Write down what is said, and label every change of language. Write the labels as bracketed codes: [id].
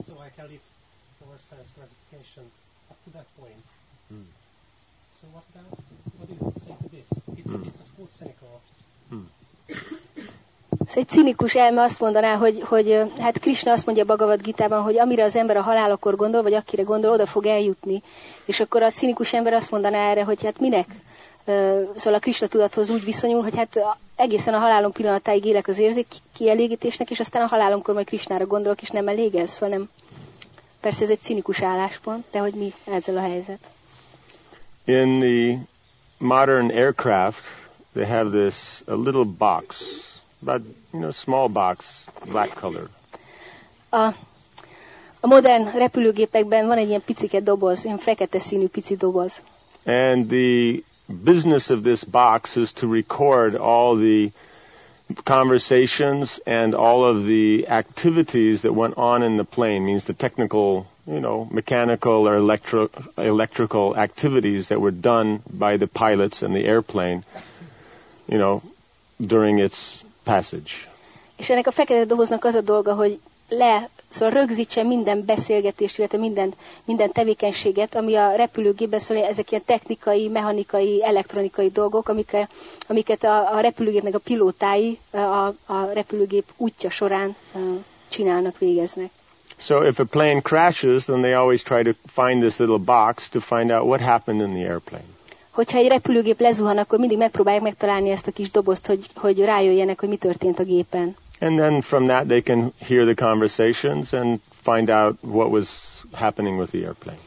[en] So I can live for sense gratification up to that point. Mm. So what do you say to this? It's of course cynical. Mm. [hu] Egy cinikus elme azt mondaná, hogy hát Krishna azt mondja a Bhagavad Gitában, hogy amire az ember a halálakor gondol, vagy akire gondol, oda fog eljutni. És akkor a cinikus ember azt mondaná erre, hogy hát minek? Szóval a Krishna tudathoz úgy viszonyul, hogy hát egészen a halálom pillanatáig élek az érzék kielégítésnek, és aztán a halálomkor majd Krishnára gondolok, és nem elég ez, szóval nem. Persze ez egy cinikus álláspont, de hogy mi ezzel a helyzet? [en] In the modern aircraft, they have this a little box. But, you know, small box, black color. [hu] A modern repülőgépekben van egy ilyen picike doboz, ilyen fekete színű pici doboz. [en] And the business of this box is to record all the conversations and all of the activities that went on in the plane. Means the technical, you know, mechanical or electrical activities that were done by the pilots and the airplane, you know, during its passage. [hu] És ennek a fekete doboznak az a dolga, hogy szóval rögzítse minden beszélgetést, illetve minden tevékenységet, ami a repülőgépben, szóval ezek ilyen technikai, mechanikai, elektronikai dolgok, amiket a repülőgépnek a pilótái a repülőgép útja során csinálnak, végeznek. [en] So if a plane crashes, then they always try to find this little box to find out what happened in the airplane. [hu] Hogyha egy repülőgép lezuhan, akkor mindig megpróbálják megtalálni ezt a kis dobozt, hogy rájöjjenek, hogy mi történt a gépen. [en] And then from that they can hear the conversations and find out what was happening with the airplane.